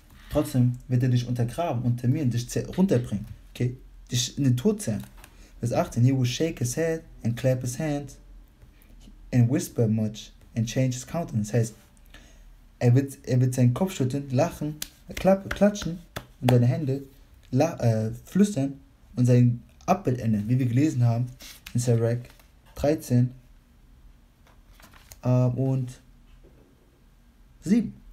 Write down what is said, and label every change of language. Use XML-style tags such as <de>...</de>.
<de>Trotzdem wird er dich untergraben, untermieren, dich runterbringen. Okay? Dich in den Tod zerren. Vers 18.</de> <en>He will shake his head and clap his hands and whisper much and change his countenance.</en> <de>Das heißt, er wird seinen Kopf schütteln, lachen, klatschen und seine Hände flüstern und sein Abbild ändern, wie wir gelesen haben in Sirach 13 und 7.</de>